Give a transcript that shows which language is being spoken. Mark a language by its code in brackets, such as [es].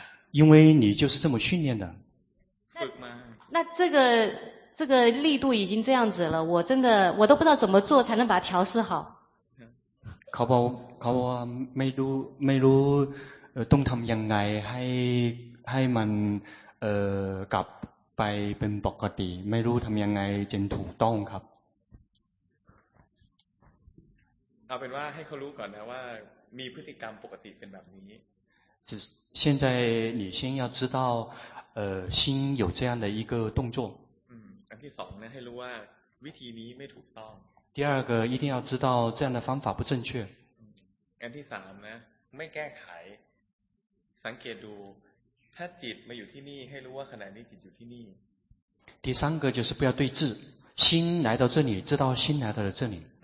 [zh] 因为你就是这么训练的那这个力度已经这样子了我真的我都不知道怎么做才能把它调试好 [th] เขาบอกว่าไม่รู้ต้องทำยังไงให้มันกลับไปเป็นปกติไม่รู้ทำยังไงจึงถูกต้องครับ เอาเป็นว่าให้เขารู้ก่อนนะว่ามีพฤติกรรมปกติเป็นแบบนี้ [zh] 只现在你先要知道心有这样的一个动作 [th] อันที่สองนะให้รู้ว่าวิธีนี้ไม่ถูกต้อง [zh] 第二个一定要知道这样的方法不正确 [th] อันที่สามนะไม่แก้ไขสังเกตดูถ้าจิตมาอยู่ที่นี่ให้รู้ว่าขณะนี้จิตอยู่ที่นี่ [zh] 第三个就是不要对峙心来到这里知道心来到了这里